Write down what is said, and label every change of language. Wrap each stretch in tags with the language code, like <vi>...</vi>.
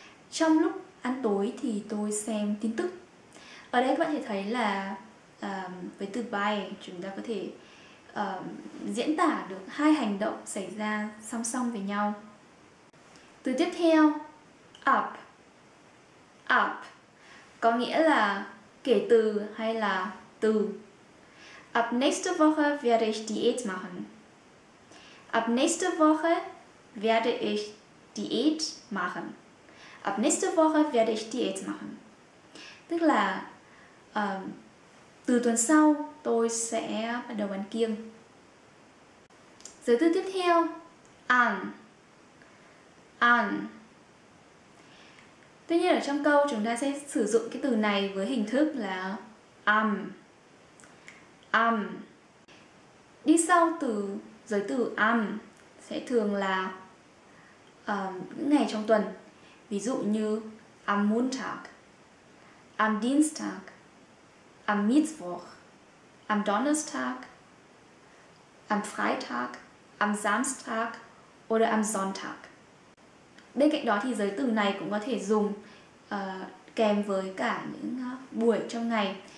<vi>Trong lúc ăn tối thì tôi xem tin tức. Ở đây các bạn có thể thấy là với từ bei chúng ta có thể diễn tả được hai hành động xảy ra song song với nhau. Từ tiếp theo, up có nghĩa là kể từ hay là từ.</vi> <de>Ab nächste Woche werde ich Diät machen. Ab nächste Woche werde ich Diät machen. Ab nächste Woche werde ich Diät machen.</de> <vi>Tức là từ tuần sau tôi sẽ bắt đầu ăn kiêng. Giới thứ tiếp theo, an. Tuy nhiên ở trong câu chúng ta sẽ sử dụng cái từ này với hình thức là am. Đi sau từ giới từ am sẽ thường là những ngày trong tuần. Ví dụ như</vi> <de>am Montag, am Dienstag, am Mittwoch, am Donnerstag, am Freitag, am Samstag oder am Sonntag.</de> <vi>Bên cạnh đó thì giới từ này cũng có thể dùng kèm với cả những buổi trong ngày.</vi>